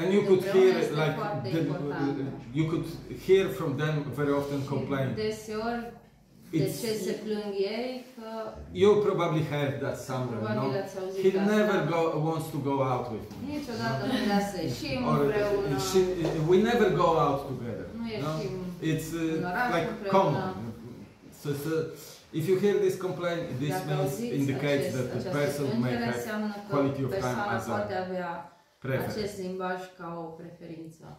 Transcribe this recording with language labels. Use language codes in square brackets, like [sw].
[en] And you could hear like the, you could hear from them very often complaining. [ro] Deseori, de ce se plâng ei că [en] you probably heard that somewhere, no? He never go, wants to go out with me. [ro] Niciodată nu vrea să ieșim împreună. [en] She, we never go out together. [ro] Nu [en] no? It's like [ro] împreună. [en] Common. So, so if you hear this complaint, this means indicates [ro] acest, [en] that the person may have quality of time as a preference.